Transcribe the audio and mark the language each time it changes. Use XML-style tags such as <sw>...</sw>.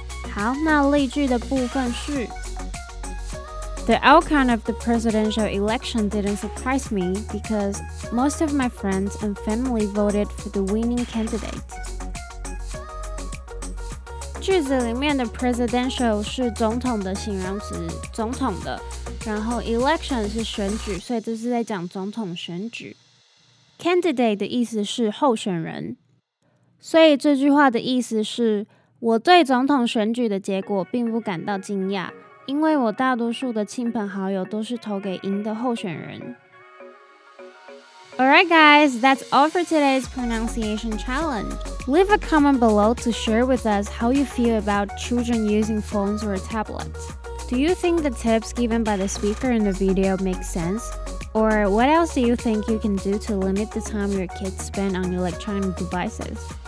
<zh>好，那例句的部分是</zh> <en>The outcome of the presidential election didn't surprise me because most of my friends and family voted for the winning candidate.</en> <zh>句子里面的 presidential 是总统的形容词，总统的，然后 election 是选举，所以这是在讲总统选举。 Candidate 的意思是候选人，所以这句话的意思是我对总统选举的结果并不感到惊讶，因为我大多数的亲朋好友都是投给赢的候选人。</zh> <en>Alright guys, that's all for today's pronunciation challenge. Leave a comment below to share with us how you feel about children using phones or tablets. Do you think the tips given by the speaker in the video make sense? Or what else do you think you can do to limit the time your kids spend on electronic devices?</en>